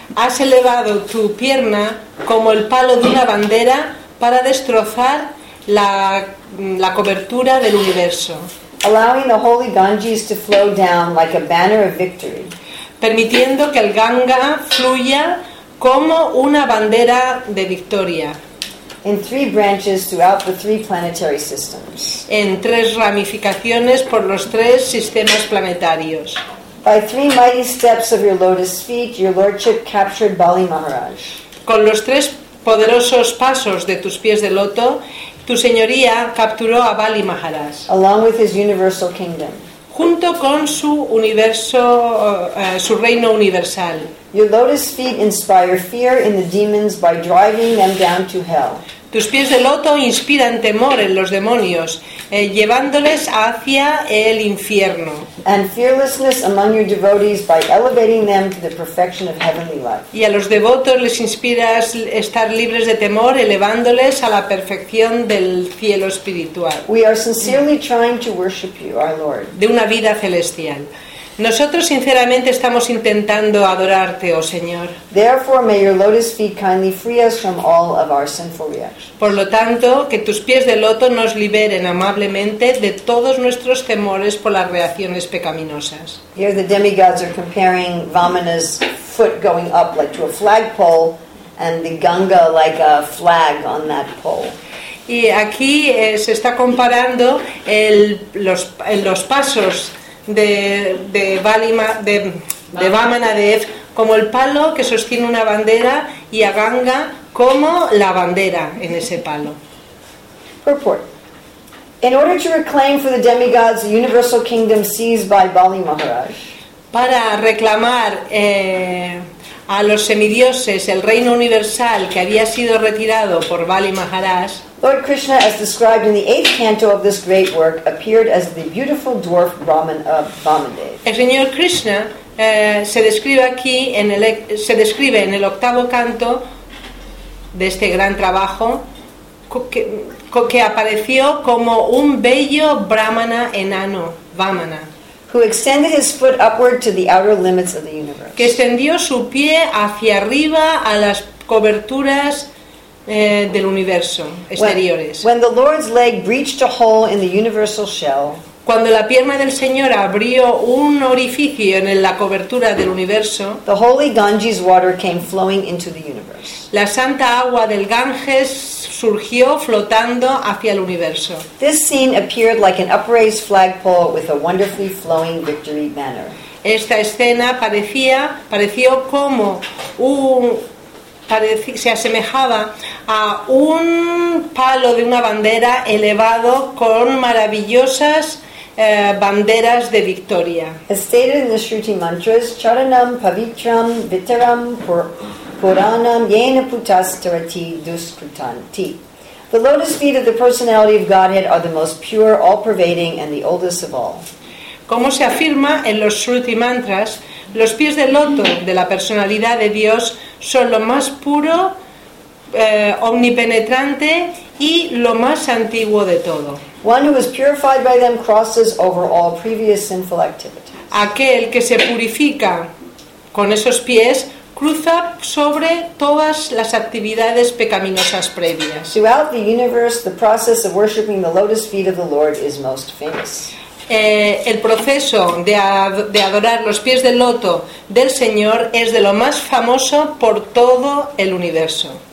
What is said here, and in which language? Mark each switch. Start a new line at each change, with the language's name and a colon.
Spanish: Has elevado tu pierna como el palo de una bandera para destrozar la cobertura del universo.
English: Allowing the holy Ganges to flow down like a banner of victory.
Spanish: Permitiendo que el Ganga fluya como una bandera de victoria.
English: In three branches throughout the three planetary systems.
Spanish: En tres ramificaciones por los tres sistemas planetarios.
English: By three mighty steps of your lotus feet, your lordship captured Bali Maharaj.
Spanish: Con los tres poderosos pasos de tus pies de loto, tu señoría capturó a Bali Maharaj.
English: Along with his universal kingdom.
Spanish: Junto con su universo, su reino universal.
English: Your lotus feet inspire fear in the demons by driving them down to hell.
Spanish: Tus pies de loto inspiran temor en los demonios, llevándoles hacia el infierno.
English: And fearlessness among your devotees by elevating them to the perfection of heavenly life.
Spanish: Y a los devotos les inspiras estar libres de temor, elevándoles a la perfección del cielo espiritual.
English: We are sincerely trying to worship you, our Lord.
Spanish: De una vida celestial. Nosotros sinceramente estamos intentando adorarte, oh Señor.
English: Therefore, may your lotus feet kindly free us from all of our sinful reactions.
Spanish: Por lo tanto, que tus pies de loto nos liberen amablemente de todos nuestros temores por las reacciones pecaminosas.
English: Here the demigods are comparing Vamana's foot going up like to a flagpole and the Ganga like a flag on that pole.
Spanish: Y aquí se está comparando los pasos de Vamanadev como el palo que sostiene una bandera y a Ganga como la bandera en ese palo.
English: Purport. In order to reclaim for the demigods the universal kingdom seized by Bali Maharaj.
Spanish: Para reclamar a los semidioses el reino universal que había sido retirado por Bali Maharaj.
English: Lord Krishna, as described in the eighth canto of this great work, appeared as the beautiful dwarf Brahman of Vamadeva.
Spanish: El señor Krishna se describe en el octavo canto de este gran trabajo que apareció como un bello brahmana enano, Vamana.
English: Who extended his foot upward to the outer limits of the universe.
Spanish: Que extendió su pie hacia arriba a las coberturas del universo exteriores.
English: When the Lord's leg breached a hole in the universal shell.
Spanish: Cuando la pierna del Señor abrió un orificio en la cobertura del universo.
English: The holy Ganges water came flowing into the universe.
Spanish: La santa agua del Ganges surgió flotando hacia el universo.
English: This scene appeared like an upraised flagpole with a wonderfully flowing victory banner.
Spanish: Esta escena pareció como un se asemejaba a un palo de una bandera elevado con maravillosas banderas de victoria.
English: As stated in the Shruti mantras,
Sanskrit: charanam pavitram vitaram puranam yena putastarati duskrutanti.
English: The lotus feet of the personality of Godhead are the most pure, all-pervading, and the oldest of all.
Spanish: Como se afirma en los Shruti mantras, los pies de loto de la personalidad de Dios son lo más puro, omnipenetrante y lo más antiguo de todo.
English: One who is purified by them crosses over all previous sinful activities.
Spanish: Aquel que se purifica con esos pies cruza sobre todas las actividades pecaminosas previas.
English: Throughout the universe, the process of worshiping the lotus feet of the Lord is most famous.
Spanish: El proceso de adorar los pies del loto del Señor es de lo más famoso por todo el universo.